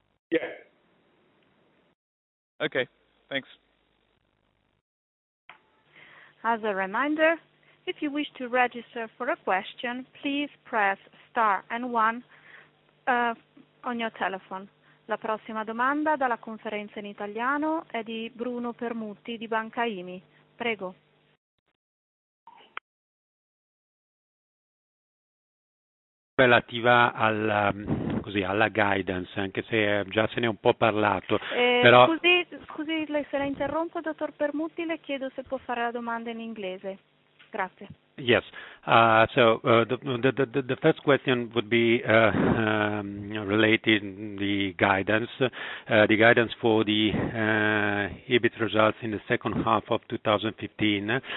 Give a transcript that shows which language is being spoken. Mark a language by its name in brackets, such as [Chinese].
[English] Yeah. Okay, thanks. As a reminder, if you wish to register for a question, please press *1 on your telephone. [Italian] La prossima domanda dalla conferenza in italiano è di Bruno Permutti di Banca IMI. Prego. Relativa alla guidance, anche se già se ne è un po' parlato. Però... Scusi, lei se la interrompo, dottor Permutti, le chiedo se può fare la domanda in inglese. Grazie. [English] Yes. So the first question would be related to the guidance for the EBIT results in the second half of 2015.